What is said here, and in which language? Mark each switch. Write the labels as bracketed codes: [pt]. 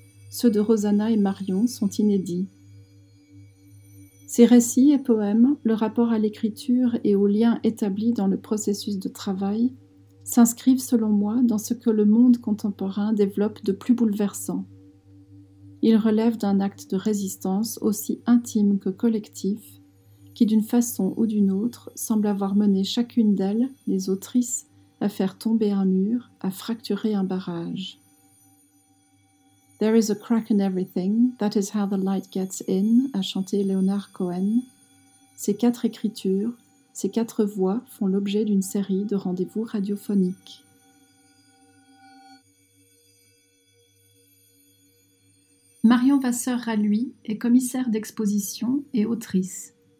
[fr] Ceux de Rosana et Marion sont inédits. Ces récits et poèmes, le rapport à l'écriture et aux liens établis dans le processus de travail, s'inscrivent selon moi dans ce que le monde contemporain développe de plus bouleversant. Ils relèvent d'un acte de résistance aussi intime que collectif, qui d'une façon ou d'une autre semble avoir mené chacune d'elles, les autrices, à faire tomber un mur, à fracturer un barrage. [en] There is a crack in everything, that is how the light gets in, [fr] a chanté Leonard Cohen. Ces 4 écritures, ces 4 voix font l'objet d'une série de rendez-vous radiophoniques. Marion Vasseur-Ralluy est commissaire d'exposition et autrice.